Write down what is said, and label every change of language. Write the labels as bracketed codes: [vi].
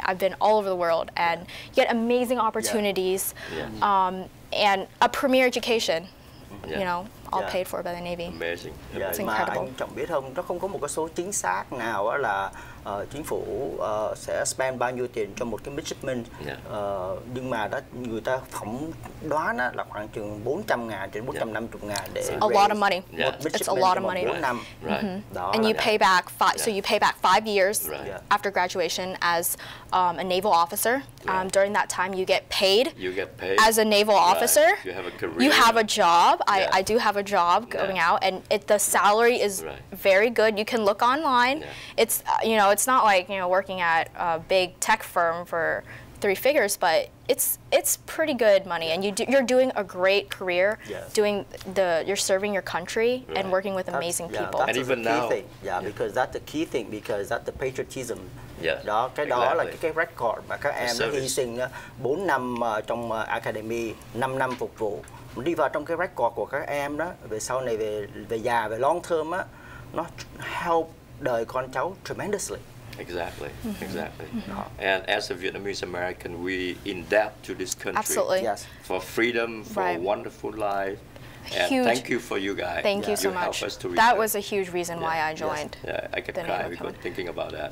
[en] I've been all over the world and get amazing opportunities. Yeah. Yeah. And a premier education. Yeah. You know, all paid for by the Navy. Amazing. Yeah. It's incredible. [vi] Mà anh Trọng biết không, nó không có một cái số chính xác nào là chính phủ sẽ spend bao nhiêu tiền cho một cái midshipman. Yeah. Nhưng mà đó, người ta phỏng đoán là khoảng chừng 400.000 đến 450.000 để [en] a lot of money. Yeah. It's a lot of money. Right. Mm-hmm. And you pay back so you pay back 5 years right. After graduation as a naval officer. Right. During that time you get paid. You get paid as a naval officer. Right. You have a career. You have a job. Yeah. I do have a job going out and the salary is very good. You can look online. Yeah. It's you know, it's not like, you know, working at a big tech firm for three figures, but it's pretty good money. Yeah. And you're doing a great career. Yes. You're serving your country and working with amazing people. That's and even the key now. Thing. Yeah, because that's the key thing, because that's the patriotism. Yeah. [vi] Đó, cái exactly. Đó là cái record mà các em hy sinh 4 năm trong academy, 5 năm phục vụ. Đi vào trong cái record của các em đó, về sau này về già, về long term á, nó help đời con cháu tremendously. [en] Exactly, mm-hmm. Exactly. Mm-hmm. And as a Vietnamese American, we indebted to this country. Absolutely. Yes. For freedom, for a wonderful life. And huge. Thank you for you guys. Thank you so much. Help us to that was a huge reason why I joined. Yeah, I could cry because thinking about that.